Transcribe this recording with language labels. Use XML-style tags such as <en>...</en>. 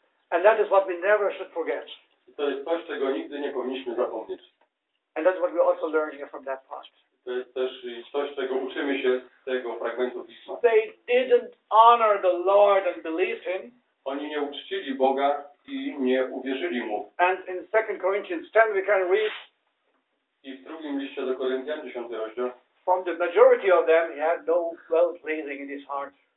<en>And that is what we never should forget.</en> <pl>To jest coś, czego nigdy nie powinniśmy zapomnieć.</pl> <en>And that's what we also learn here from that part.</en> <pl>To jest też coś, czego uczymy się z tego fragmentu pisma.</pl> <en>They didn't honor the Lord and believed him.</en> <pl>Oni nie uczcili Boga i nie uwierzyli mu.</pl> <en>And in 2 Corinthians 10 we can read.</en> <pl>I w drugim liście do Koryntian, 10 rozdział.</pl> <en>From the majority of them, he had no well-pleasing in his heart.</en>